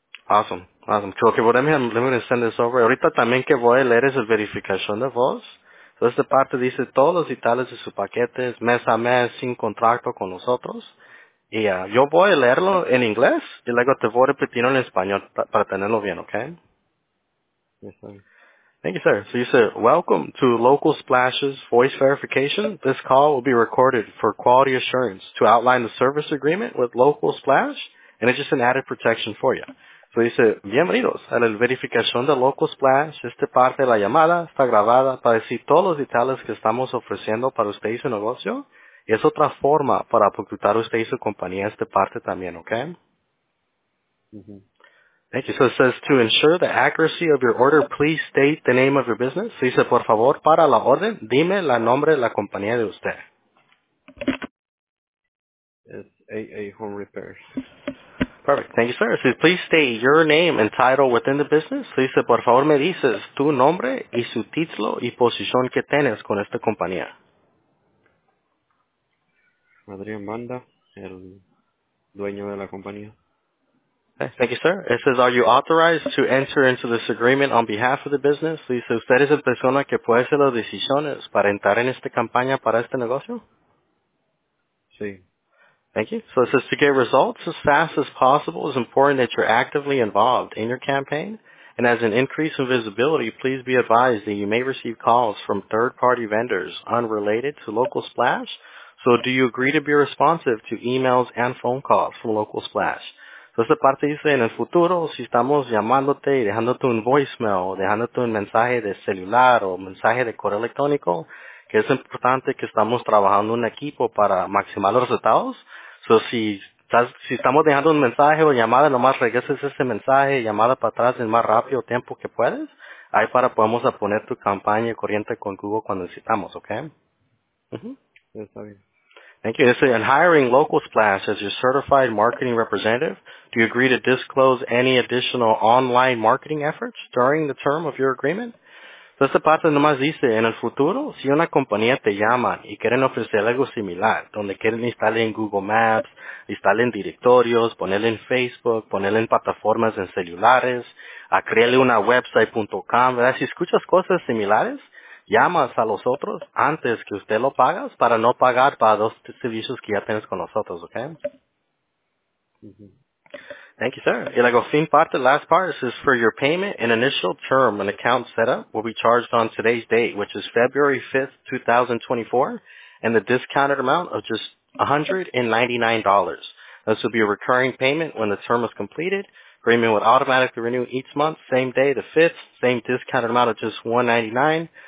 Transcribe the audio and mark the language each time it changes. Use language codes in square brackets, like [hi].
[en] Awesome. Awesome. Okay, well, let me send this over. [es] Ahorita también que voy a leer es el verificación de voz. Entonces, esta parte dice todos los detalles de sus paquetes, mes a mes, sin contrato con nosotros. Y yo voy a leerlo en inglés y luego te voy a repetir en español para tenerlo bien, ¿ok? [en] Yes, thank you, sir. So you said, welcome to Local Splash's voice verification. This call will be recorded for quality assurance to outline the service agreement with Local Splash, and it's just an added protection for you. [es] So dice, bienvenidos a la verificación de Local Splash. Esta parte de la llamada está grabada para decir todos los detalles que estamos ofreciendo para usted y su negocio. Y es otra forma para aportar usted y su compañía esta parte también, ¿ok? [en] Thank you. So it says, to ensure the accuracy of your order, please state the name of your business. [es] So dice, por favor, para la orden, dime la nombre de la compañía de usted. [en] It's AA Home Repairs. Perfect. Thank you, sir. So please state your name and title within the business. [es] So dice, por favor, me dices tu nombre y su título y posición que tienes con esta compañía. Adrián Banda, el dueño de la compañía. [en] Thank you, sir. It says, are you authorized to enter into this agreement on behalf of the business? [es] So dice, ¿usted es la persona que puede hacer las decisiones para entrar en esta campaña para este negocio? Sí. [en] Thank you. So it says, to get results as fast as possible, it's important that you're actively involved in your campaign. And as an increase in visibility, please be advised that you may receive calls from third-party vendors unrelated to Local Splash. So do you agree to be responsive to emails and phone calls from Local Splash? [es] So esta parte dice, en el futuro, si estamos llamándote y dejándote un voicemail, dejándote un mensaje de celular o mensaje de correo electrónico, que es importante que estamos trabajando un equipo para maximizar los resultados. So si estamos dejando un mensaje o llamada, nomás regreses ese mensaje, llamada para atrás en más rápido tiempo que puedes, ahí para podemos poner tu campaña corriente con Google cuando necesitamos, ¿ok? [en] Thank you. So in hiring Local Splash as your certified marketing representative, do you agree to disclose any additional online marketing efforts during the term of your agreement? [es] Entonces, esta parte nomás dice, en el futuro, si una compañía te llama y quieren ofrecer algo similar, donde quieren instalar en Google Maps, instalar en directorios, ponerle en Facebook, ponerle en plataformas en celulares, a crearle una website.com, ¿verdad? Si escuchas cosas similares, llamas a los otros antes que usted lo pagas para no pagar para dos servicios que ya tienes con nosotros, ¿ok? [en] Thank you, sir. [es] Y luego, fin parte, [en] last part, says, for your payment and initial term an account setup will be charged on today's date, which is February 5th, 2024, and the discounted amount of just $199. This will be a recurring payment when the term is completed. Agreement will automatically renew each month, same day, the 5th, same discounted amount of just $199.